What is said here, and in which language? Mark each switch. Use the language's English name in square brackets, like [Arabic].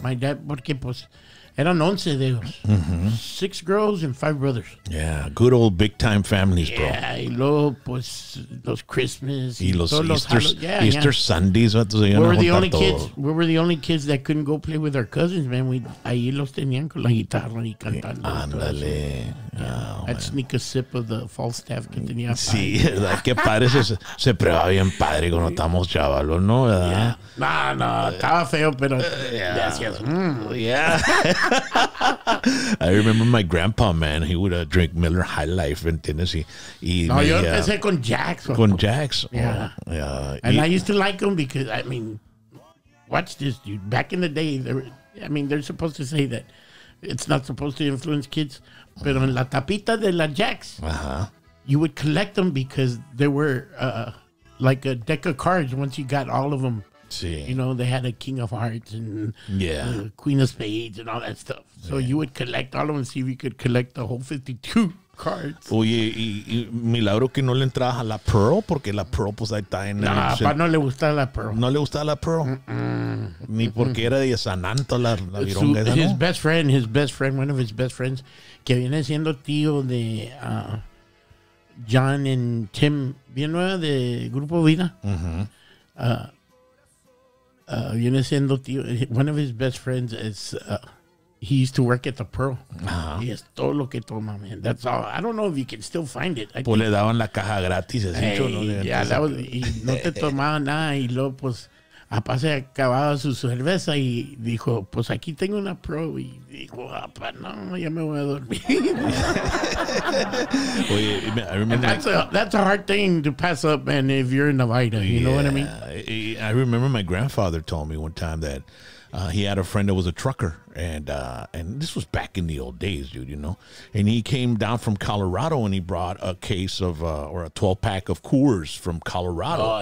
[English] Yeah. My dad, [Spanish] porque pues, eran 11 de ellos. [English] Six girls and 5 brothers. Yeah, good old big time families, bro. [Spanish] Yeah, y luego, pues, los Christmas. Y los Easter, Sundays. [English] We were the only kids that couldn't go play with our cousins, man. [Spanish] Ahí los tenían con la guitarra y cantando. Ándale. [English] I'd sneak a sip of the Falstaff [Spanish] que tenía. Sí, qué padre. Se prueba bien padre cuando estamos chavalos, ¿no? ¿Verdad? No, estaba feo, pero gracias. [English] Yeah. I remember my grandpa, man. He would drink Miller High Life in Tennessee. [Spanish] Yo empecé con Jax. Con Jax. [English] I used to like him because, I mean, watch this, dude. Back in the day, they're supposed to say that it's not supposed to influence kids. [Spanish] Pero en la tapita de la Jax, [English] you would collect them because they were like a deck of cards. Once you got all of them, see, you know, they had a King of Hearts and yeah, Queen of Spades and all that stuff. So yeah, you would collect all of them and see if you could collect the whole 52 cards. [Spanish] Oye, y milagro que no le entrabas a la Pearl, porque la Pearl, pues ahí está en el... Nah, no le gustaba la Pearl. No le gustaba la Pearl. Ni porque era de San Anto la vironga esa, ¿no? [English] His best friend, one of his best friends, [Spanish] que viene siendo tío de [English] John and Tim Villanueva de Grupo Vida. [Spanish] Viene siendo tío. [English] One of his best friends is... he used to work at the Pearl. Uh-huh. Yes, [Spanish] todo lo que toma, [English] man. That's all. I don't know if you can still find it. [Spanish] Pues le daban la caja gratis. Hey, hecho, ¿no? [English] Yeah, that was, [Spanish] y no te tomaba nada. Y luego, pues, apá se acababa su cerveza y dijo, pues aquí tengo una Pro. Y dijo, apá, no, ya me voy a dormir. [English] Oye, I remember. And that's a hard thing to pass up, man, if you're in Nevada. You know what I mean? I remember my grandfather told me one time that he had a friend that was a trucker, and this was back in the old days, dude, you know, and he came down from Colorado and he brought a case of, or a 12 pack of Coors from Colorado.